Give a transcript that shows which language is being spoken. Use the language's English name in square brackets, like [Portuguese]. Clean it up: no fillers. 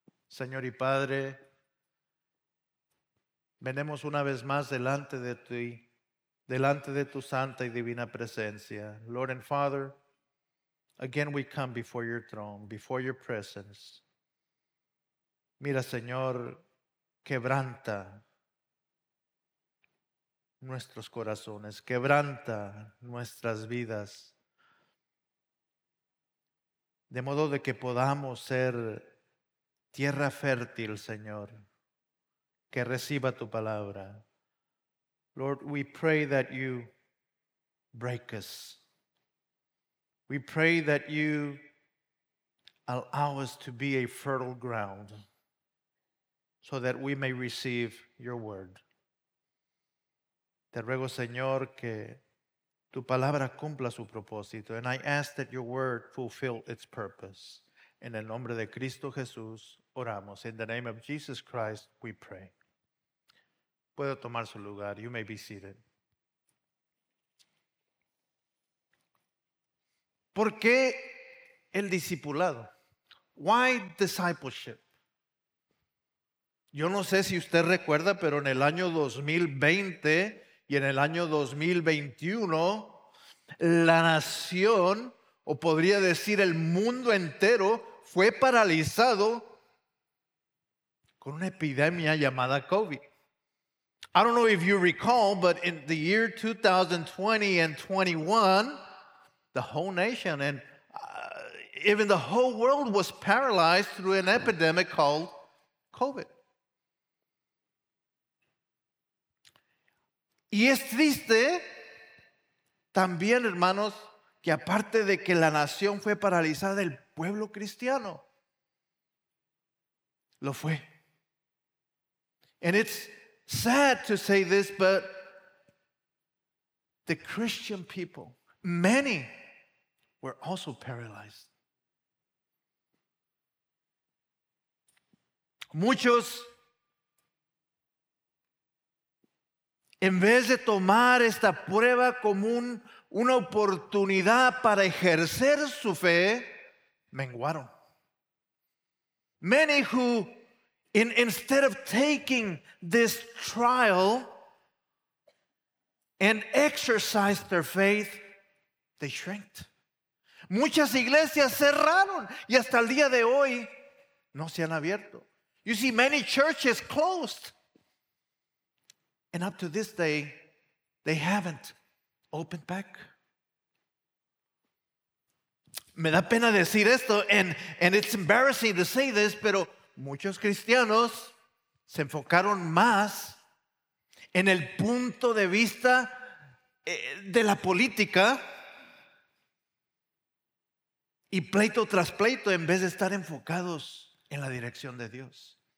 [Spanish] Señor y Padre, venemos una vez más delante de ti, delante de tu santa y divina presencia. [English] Lord and Father, again we come before your throne, before your presence. [Spanish] Mira, Señor, quebranta nuestros corazones, quebranta nuestras vidas, de modo de que podamos ser tierra fértil, Señor, que reciba tu palabra. [English] Lord, we pray that you break us. We pray that you allow us to be a fertile ground so that we may receive your word. [Spanish] Te ruego, Señor, que tu palabra cumpla su propósito. [English] And I ask that your word fulfill its purpose. [Spanish] En el nombre de Cristo Jesús, oramos. [English] In the name of Jesus Christ, we pray. [Spanish] Puedo tomar su lugar. [English] You may be seated. [Spanish] ¿Por qué el discipulado? [English] Why discipleship? [Spanish] Yo no sé si usted recuerda, pero en el año 2020... y en el año 2021, la nación, o podría decir el mundo entero, fue paralizado con una epidemia llamada COVID. [English] I don't know if you recall, but in the year 2020 and 21, the whole nation, and even the whole world was paralyzed through an epidemic called COVID. [Spanish] Y es triste también, hermanos, que aparte de que la nación fue paralizada, el pueblo cristiano lo fue. [English] And it's sad to say this, but the Christian people, many were also paralyzed. [Spanish] Muchos, en vez de tomar esta prueba como una oportunidad para ejercer su fe, menguaron. [English] Many who, instead of taking this trial and exercise their faith, they shrank. [Spanish] Muchas iglesias cerraron y hasta el día de hoy no se han abierto. [English] You see, many churches closed. And up to this day, they haven't opened back. [Spanish] Me da pena decir esto, [English] and it's embarrassing to say this, [Spanish] pero muchos cristianos se enfocaron más en el punto de vista de la política y pleito tras pleito en vez de estar enfocados en la dirección de Dios.